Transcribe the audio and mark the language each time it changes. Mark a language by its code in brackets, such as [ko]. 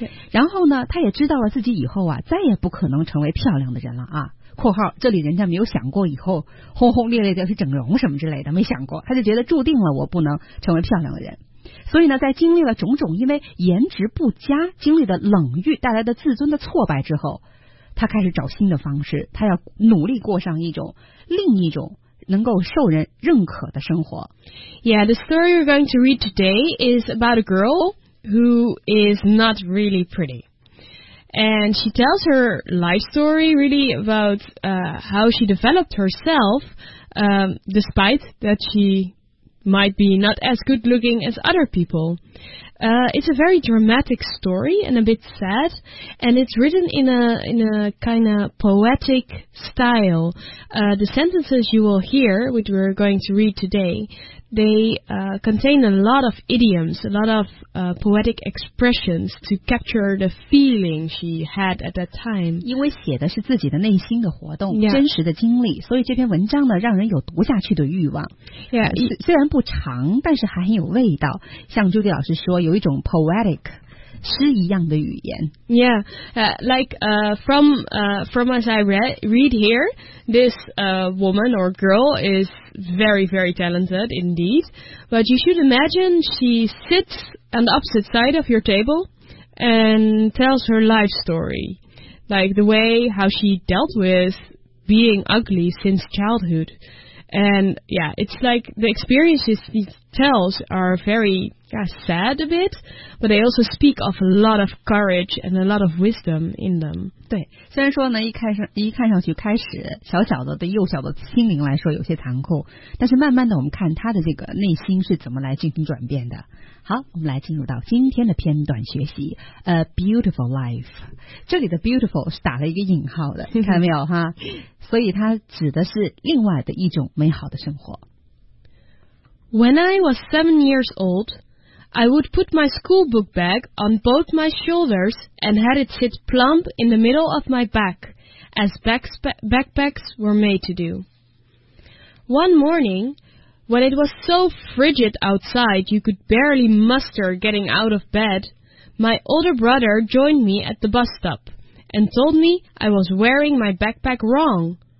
[zh] 然后呢，他也知道了自己以后啊，再也不可能成为漂亮的人了啊。（括号这里人家没有想过以后轰轰烈烈的去整容什么之类的，没想过，他就觉得注定了我不能成为漂亮的人。）所以呢，在经历了种种因为颜值不佳经历的冷遇带来的自尊的挫败之后，他开始找新的方式，他要努力过上另一种能够受人认可的生活。 [en] Yeah, the story you're going to read today is about a girl. Who is not really pretty. And she tells her life story really about how she developed herself despite that she might be not as good looking as other people. It's a very dramatic story and a bit sad, and it's written in a kind of poetic style. The sentences you will hear, which we're going to read today,They contain a lot of idioms, a lot of poetic expressions to capture the feeling she had at that time. [zh] 因为写的是自己的内心的活动、 [en] yeah. [zh] 真实的经历，所以这篇文章呢让人有读下去的欲望。 [en] Yeah, [zh] 虽然不长，但是还很有味道。像朱迪老师说，有一种 poetic 诗一样的语言。 [en] Yeah, like from as I read here, this woman or girl is. Very, very talented indeed. But you should imagine she sits on the opposite side of your table and tells her life story. Like the way how she dealt with being ugly since childhood. And yeah, it's like the experiences she tells are very sad a bit, but they also speak of a lot of courage and a lot of wisdom in them. [zh] 对，虽然说呢，一看上去开始小小的对幼小的心灵来说有些残酷，但是慢慢的我们看他的这个内心是怎么来进行转变的。好，我们来进入到今天的片段学习 ，A Beautiful Life。这里的 Beautiful 是打了一个引号的，看到没有哈？所以它指的是另外的一种美好的生活。 [en] When I was 7 years old. I would put my school book bag on both my shoulders and had it sit plump in the middle of my back, as backpacks were made to do. One morning, when it was so frigid outside you could barely muster getting out of bed, my older brother joined me at the bus stop and told me I was wearing my backpack wrong.